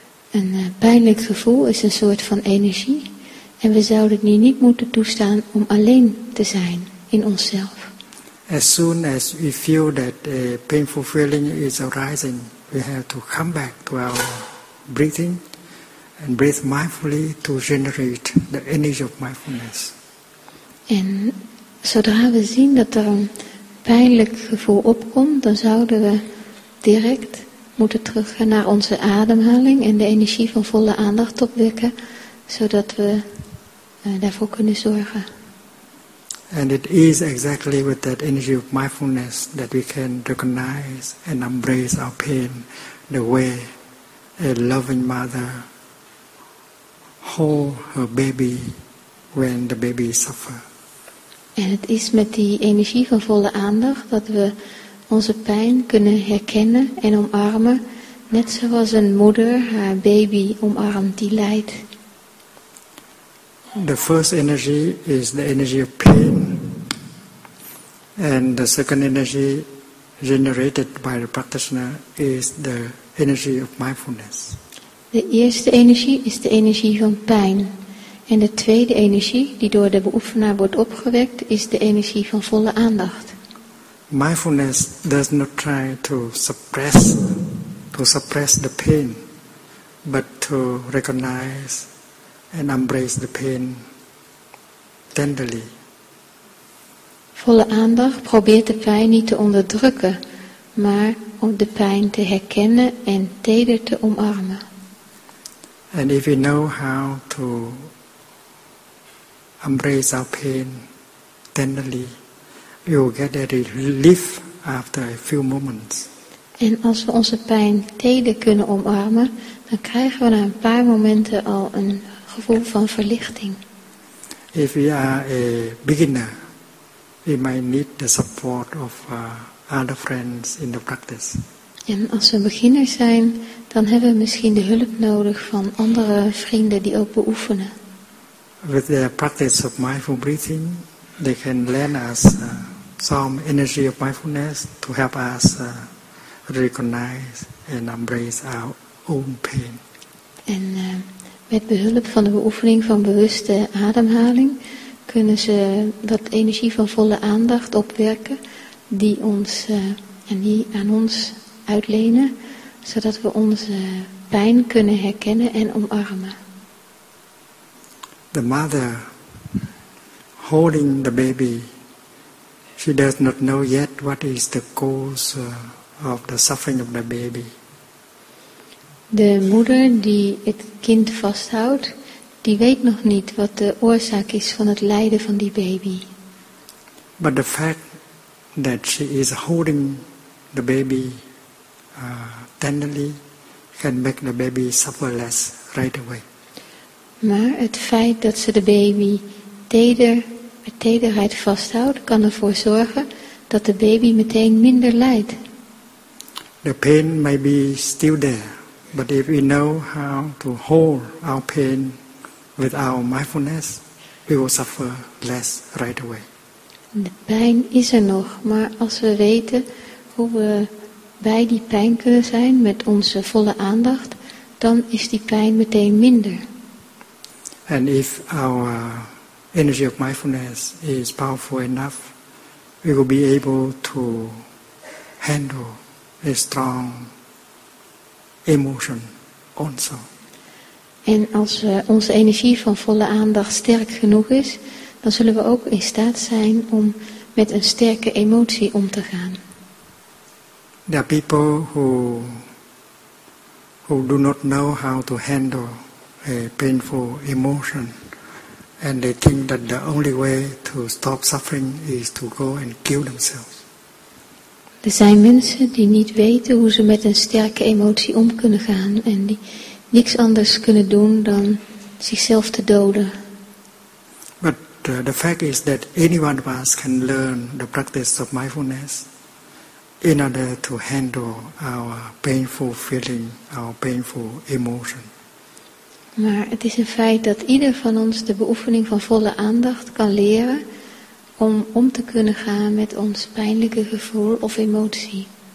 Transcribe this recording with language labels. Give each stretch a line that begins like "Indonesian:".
Dutch: Een pijnlijk gevoel is een soort van energie, en we zouden die niet moeten toestaan om alleen te zijn in onszelf.
English: As soon as we feel that a painful feeling is arising, we have to come back to our breathing. And breathe mindfully to generate the energy of mindfulness.
Dutch: En zodra we zien dat er een pijnlijk gevoel opkomt, dan zouden we direct moeten teruggaan naar onze ademhaling en de energie van volle aandacht opwekken, zodat we daarvoor kunnen zorgen.
English: And it is exactly with that energy of mindfulness that we can recognize and embrace our pain the way a loving mother hold her baby when the baby suffers.
Dutch: En het is met die energie van volle aandacht dat we onze pijn kunnen herkennen en omarmen, net zoals een moeder haar baby omarmt die lijdt.
English: The first energy is the energy of pain, and the second energy generated by the practitioner is the energy of mindfulness.
Dutch: De eerste energie is de energie van pijn. En de tweede energie die door de beoefenaar wordt opgewekt is de energie van volle aandacht.
English: Mindfulness does not try to suppress the pain, but to recognize and embrace the pain tenderly.
Dutch: Volle aandacht probeert de pijn niet te onderdrukken, maar om de pijn te herkennen en teder te omarmen.
English: And if we know how to embrace our pain tenderly, we will get a relief after a few moments.
Dutch: En als we onze pijn teder kunnen omarmen, dan krijgen we na een paar momenten al een gevoel van verlichting.
English: If we are a beginner, we might need the support of other friends in the practice.
Dutch: En als we beginners zijn, dan hebben we misschien de hulp nodig van andere vrienden die ook beoefenen.
English: With the practice of mindful breathing, they can lend us some energy of mindfulness to help us recognize and embrace our own pain.
Dutch: En met behulp van de beoefening van bewuste ademhaling kunnen ze wat energie van volle aandacht opwerken die ons en die aan ons uitlenen, zodat we onze pijn kunnen herkennen en omarmen.
English: The mother holding the baby, she does not know yet what is the cause of the suffering of the baby.
Dutch: De moeder die het kind vasthoudt, die weet nog niet wat de oorzaak is van het lijden van die baby.
English: But the fact that she is holding the baby tenderly can make the baby suffer less right away.
Dutch: Maar het feit dat ze de baby met tederheid vasthoudt, kan ervoor zorgen dat de baby meteen minder lijdt.
English: The pain may be still there, but if we know how to hold our pain with our mindfulness, we will suffer less right away.
Dutch: De pijn is er nog, maar als we weten hoe we bij die pijn kunnen zijn met onze volle aandacht, dan is die pijn meteen minder.
English: And if our energy of mindfulness is powerful enough, we will be able to handle a strong emotion also.
Dutch: En als onze energie van volle aandacht sterk genoeg is, dan zullen we ook in staat zijn om met een sterke emotie om te gaan.
English: There are people who do not know how to handle a painful emotion, and they think that the only way to stop suffering is to go and kill themselves.
Dutch: Er zijn mensen die niet weten hoe ze met een sterke emotie om kunnen gaan en die niks anders kunnen doen dan zichzelf te doden.
English: But the fact is that anyone of us can learn the practice of mindfulness in order to handle our painful feeling, our painful emotion.
Dutch: Maar het is een feit dat ieder van ons de beoefening van volle aandacht kan leren om te kunnen gaan met ons pijnlijke gevoel of emotie.